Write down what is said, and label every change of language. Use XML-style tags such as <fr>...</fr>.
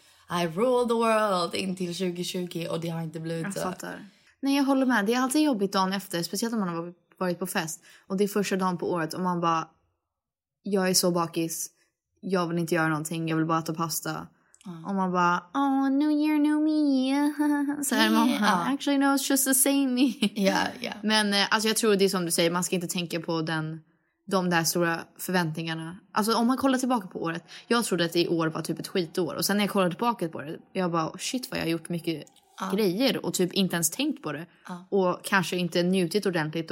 <en>I rule the world</en> <sv>in till 2020 och det har inte blivit så. Jag fattar. Nej, jag håller med. Det är alltid jobbigt dagen efter, speciellt om man har varit på fest. Och det är första dagen på året och man bara, jag är så bakis. Jag vill inte göra någonting, jag vill bara äta pasta. Mm. Och man bara,</sv> <en>oh, new year, new me.</en> <sv>Så här, man bara,</sv> <en>actually no, it's just the same me.</en> <sv>Men alltså, jag tror det är som du säger, man ska inte tänka på den... De där stora förväntningarna. Alltså om man kollar tillbaka på året. Jag trodde att i år var typ ett skitår. Och sen när jag kollade tillbaka på det. Jag bara, shit vad jag har gjort mycket grejer. Och typ inte ens tänkt på det. Och kanske inte njutit ordentligt.</sv>